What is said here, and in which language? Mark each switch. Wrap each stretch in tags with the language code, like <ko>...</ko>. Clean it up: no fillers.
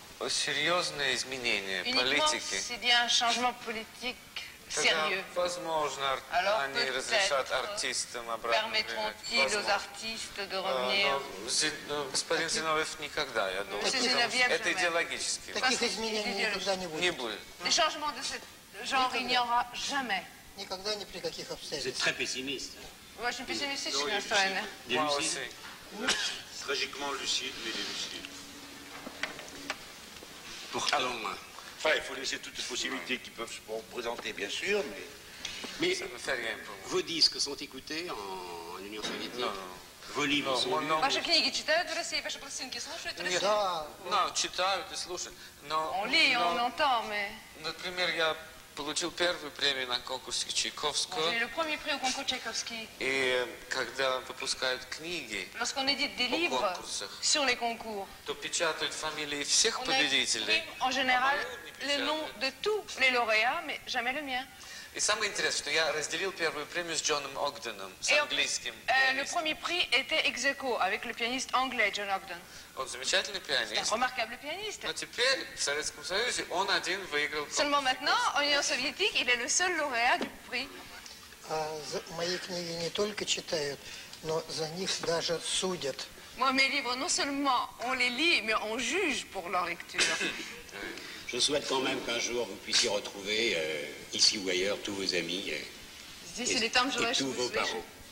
<fr>S'il y a un changement politique sérieux, permettront-ils aux artistes de revenir?</fr> <ru>Господин Зиновьев никогда, я думаю. Это идеологически. Таких изменений никогда не будет. Не будет.</ru> <fr>Des changements de ce genre, il n'y aura jamais.</fr> <ru>Никогда, ни при каких обстоятельствах.</ru> <fr>Vous êtes très pessimiste. Moi, je suis pessimiste, je suis un fan. Moi aussi. Tragiquement lucide, mais délucide. Pourtant, enfin, il faut laisser toutes les possibilités qui peuvent se présenter, bien sûr, mais ça ne fait rien pour moi. Vos disques sont écoutés en Union soviétique? Non, non. Vos livres sont lus?</fr> <ru>Ваши книги читают в России, ваши пластинки слушают в России? Да. Non, читают и слушают. Но,</ru> <fr>on lit,</fr> <ru>но,</ru> <fr>on entend, mais...</fr> <ru>Например, я получил первую премию на конкурсе Чайковского.</ru> <fr>J'ai le premier prix au concours Tchaïkovski.</fr> <ru>И когда выпускают книги...</ru> <fr>Lorsqu'on édite des livres sur les concours.</fr> <ru>То печатают фамилии всех победителей.</ru> <fr>En général, les noms de tous les lauréats, mais jamais le mien.</fr> <ru>И самое интересное, что я разделил первую премию с Джоном Огденом, с английским</ru> <fr>пианистом. Le premier prix était ex-aequo avec le pianiste anglais John Ogden.</fr> <ru>Он замечательный пианист.</ru> <fr>C'est un remarquable pianiste.</fr> <ru>Но теперь в Советском Союзе он один выиграл.</ru> <fr>Seulement maintenant, en Union soviétique, il est le seul lauréat du prix.</fr> <ru>Мои книги не только читают, но за них даже судят.</ru> <fr>Moi, mes livres, non seulement on les lit, mais on juge pour leur lecture. Je souhaite quand même qu'un jour vous puissiez retrouver, ici ou ailleurs, tous vos amis et tous vos parents.</fr>